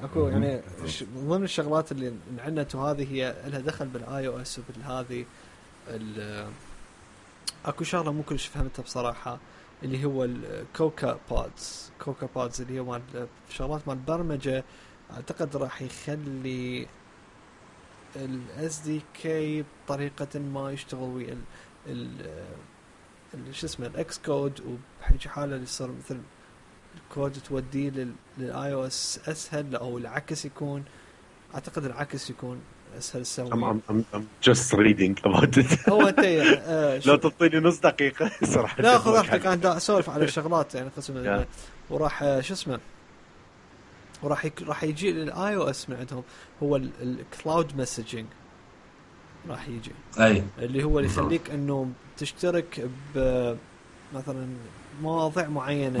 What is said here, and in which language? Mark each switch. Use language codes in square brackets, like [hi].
[ar] اكو يعني ضمن الشغلات اللي انعنت وهذه هي لها دخل بالاي او اس وبالهذه، اكو شغلة مو كلش فهمتها بصراحة اللي هو الكوكا بودز اللي هو مال شغلات مال برمجة، اعتقد راح يخلي ال SDK بطريقة ما يشتغل ويا ال شو اسمه الاكس كود، وبحيث حاله يصير مثل الكود توديه للاي او اس اسهل، او العكس يكون اعتقد العكس يكون اسهل سوي. [en] I'm just reading about it. [ar] هو انت لو تعطيني نص دقيقة صراحة لا خذ راحتك، انا اسولف على الشغلات يعني قسم وراح شو اسمه راح يجي للاي او اس من عندهم هو الكلاود مسجنج راح يجي اي اللي هو اللي يخليك انه تشترك ب مثلا مواضيع معينه